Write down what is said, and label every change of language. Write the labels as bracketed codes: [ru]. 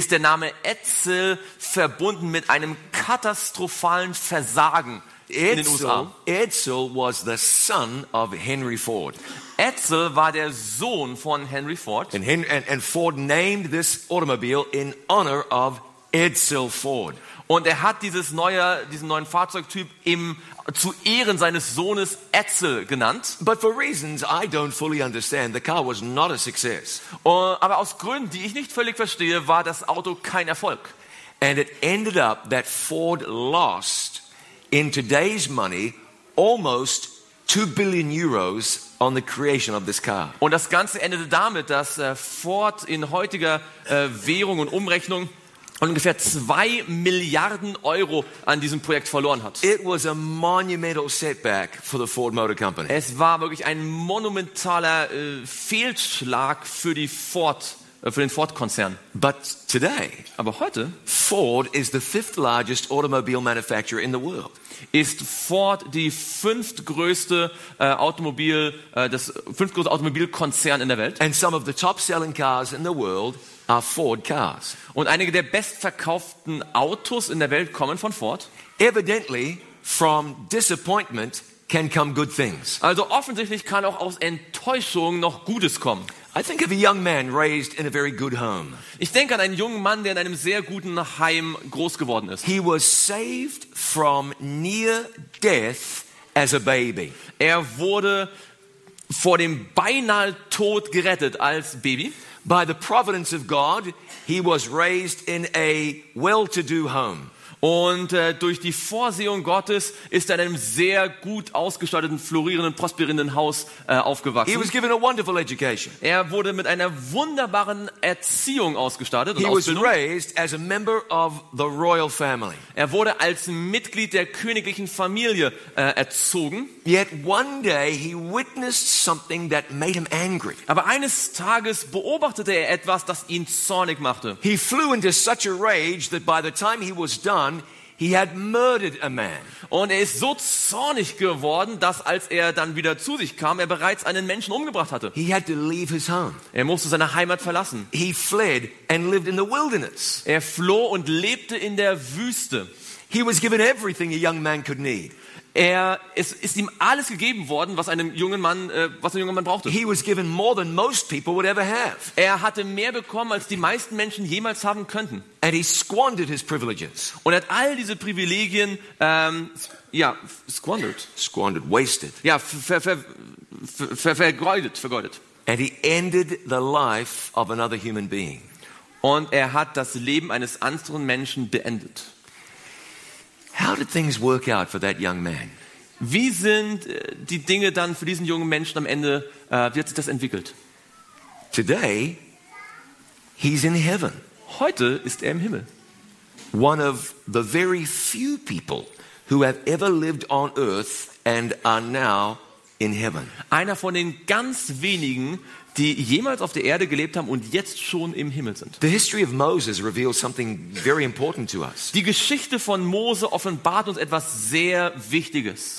[de] Ist der Name Edsel verbunden mit einem katastrophalen Versagen in den USA? [en] Edsel was the son of Henry Ford. [de] Edsel war der Sohn von Henry Ford. [en] And Ford named this automobile in honor of Edsel Ford. [de] Und er hat diesen neuen Fahrzeugtyp zu Ehren seines Sohnes Edsel genannt. [en] But for reasons I don't fully understand, the car was not a success. [de] Aber aus Gründen, die ich nicht völlig verstehe, war das Auto kein Erfolg. [en] And it ended up that Ford lost in today's money almost 2 billion euros on the creation of this car. [de] Und das Ganze endete damit, dass Ford in heutiger Währung und Umrechnung ungefähr 2 Milliarden Euro an diesem Projekt verloren hat. [en] It was a monumental setback for the Ford Motor Company. [de] Es war wirklich ein monumentaler Fehlschlag für die Ford, für den Ford-Konzern. [en] But today, [de] aber heute, [en] Ford is the fifth largest automobile manufacturer in the world. [de] Ist Ford die fünftgrößte das fünftgrößte Automobilkonzern in der Welt? [en] And some of the top-selling cars in the world are Ford cars. [de] Und einige der bestverkauften Autos in der Welt kommen von Ford. [en] Evidently, from disappointment can come good things. [de] Also offensichtlich kann auch aus Enttäuschung noch Gutes kommen. [en] I think of a young man raised in a very good home. [de] Ich denke an einen jungen Mann, der in einem sehr guten Heim groß geworden ist. [en] He was saved from near death as a baby. [de] Er wurde vor dem beinahe Tod gerettet als Baby. [en] By the providence of God, he was raised in a well-to-do home. [de] Und durch die Vorsehung Gottes ist er in einem sehr gut ausgestatteten, florierenden, prosperierenden Haus aufgewachsen. [en] He was given a wonderful education. [de] Er wurde mit einer wunderbaren Erziehung ausgestattet und [en] He was raised as a member of the royal family. [de] Er wurde als Mitglied der königlichen Familie erzogen. [en] Yet one day he witnessed something that made him angry. [de] Aber eines Tages beobachtete er etwas, das ihn zornig machte. [en] He flew into such a rage that by the time he was done, he had murdered a man. [de] Und er ist so zornig geworden, dass als er dann wieder zu sich kam, er bereits einen Menschen umgebracht hatte. [en] He had to leave his home. [de] Er musste seine Heimat verlassen. [en] He fled and lived in the wilderness. [de] Er floh und lebte in der Wüste. [en] He was given everything a young man could need. [de] Es ist ihm alles gegeben worden, was ein junger Mann brauchte. [en] He was given more than most people would ever have. [de] Er hatte mehr bekommen, als die meisten Menschen jemals haben könnten. [en] And he squandered his privileges. [de] Und er hat all diese Privilegien squandered, [en] wasted. [de] Ja, vergeudet. [en] And he ended the life of another human being. [de] Und er hat das Leben eines anderen Menschen beendet. [en] How did things work out for that young man? [de] Wie sind die Dinge dann für diesen jungen Menschen am Ende, wie hat sich das entwickelt? [en] Today, he's in heaven. [de] Heute ist im Himmel. [en] One of the very few people who have ever lived on earth and are now in heaven. [de] Einer von den ganz wenigen, die jemals auf der Erde gelebt haben und jetzt schon im Himmel sind. [en] The history of Moses reveals something very important to us. [de] Die Geschichte von Mose offenbart uns etwas sehr Wichtiges.